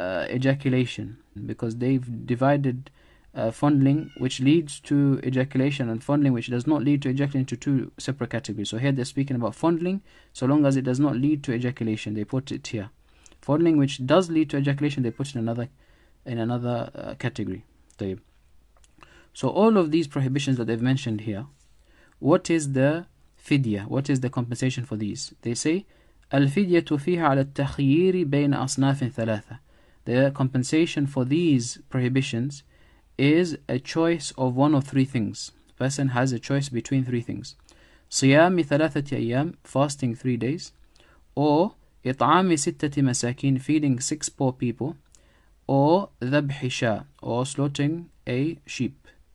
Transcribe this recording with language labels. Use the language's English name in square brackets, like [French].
[English] ejaculation, because they've divided fondling which leads to ejaculation and fondling which does not lead to ejaculation into two separate categories. So here they're speaking about fondling, so long as it does not lead to ejaculation, they put it here. Fondling which does lead to ejaculation, they put it in another category. So all of these prohibitions that they've mentioned here, what is the fidya? What is the compensation for these? They say, [Arabic] الفidya تفيها على التخيير بين أصناف ثلاثة. [English] The compensation for these prohibitions is a choice of one of three things. Person has a choice between three things. [Arabic] صيام ثلاثة أيام, [English] fasting 3 days, or [Arabic] إطعام ستة مساكين, [English] feeding 6 poor people, or [Arabic] ذبح شاة, [English] or slaughtering a sheep.